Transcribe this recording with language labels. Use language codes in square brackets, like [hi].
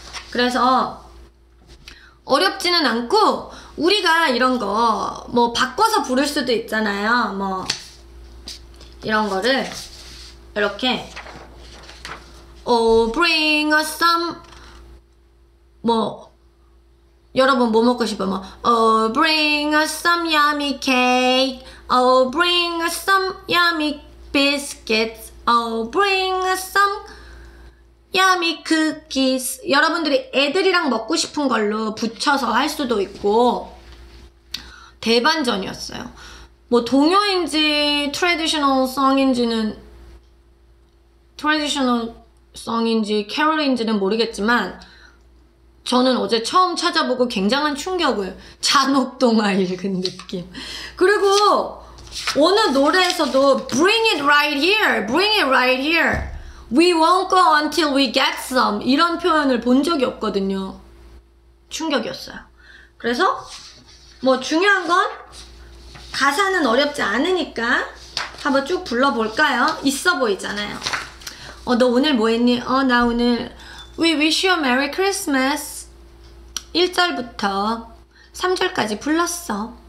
[ko] 그래서 어렵지는 않고 우리가 이런 거 뭐 바꿔서 부를 수도 있잖아요. 뭐 이런 거를 이렇게 [en] Oh bring us some [ko] 뭐 여러분 뭐 먹고 싶어? [en] 뭐 Oh bring us some yummy cake. Oh bring us some yummy biscuits. Oh, bring us some yummy cookies. [ko] 여러분들이 애들이랑 먹고 싶은 걸로 붙여서 할 수도 있고 대반전이었어요. 뭐 동요인지 traditional song인지는 traditional song인지 carol인지는 모르겠지만 저는 어제 처음 찾아보고 굉장한 충격을 잔혹동화 읽은 느낌. 그리고 어느 노래에서도 [en] bring it right here, bring it right here, we won't go until we get some [ko] 이런 표현을 본 적이 없거든요. 충격이었어요. 그래서 뭐 중요한 건 가사는 어렵지 않으니까 한번 쭉 불러볼까요? 있어 보이잖아요. 너 오늘 뭐 했니? 나 오늘 [en] We wish you a merry Christmas. [ko] 1절부터 3절까지 불렀어.